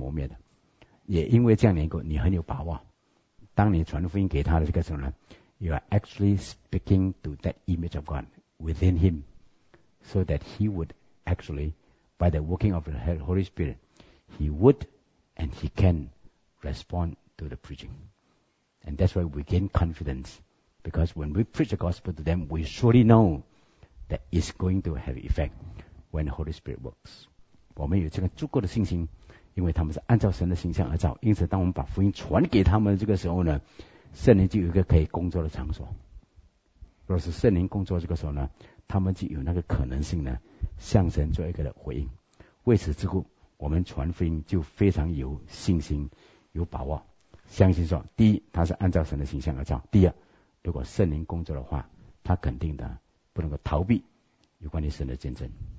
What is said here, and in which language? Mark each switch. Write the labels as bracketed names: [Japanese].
[Chinese] 我们知道有一件关于他们的事情是他们自己所不知道的，是什么？就是他们是按照神的形象而造的。既然他们是按照神的形象而造，他们是与生俱来的什么？敬拜本能，这件东西呢是完全不能够磨灭的，也因为这样能够你很有把握。当你传福音给他的这个时候呢， [English] You are actually speaking to that image of God within him so that he would actually, by the working of the Holy Spirit, he would and he can respond to the preaching. And that's why we gain confidence, because when we preach the gospel to them, we surely know that it's going to have effect when the Holy Spirit works. [Chinese] 我们有这个足够的信心， 因为他们是按照神的形象而造，因此当我们把福音传给他们这个时候呢，圣灵就有一个可以工作的场所。若是圣灵工作这个时候呢，他们就有那个可能性呢，向神做一个的回应。为此之故，我们传福音就非常有信心、有把握。相信说，第一，他是按照神的形象而造；第二，如果圣灵工作的话，他肯定的不能够逃避有关于神的见证。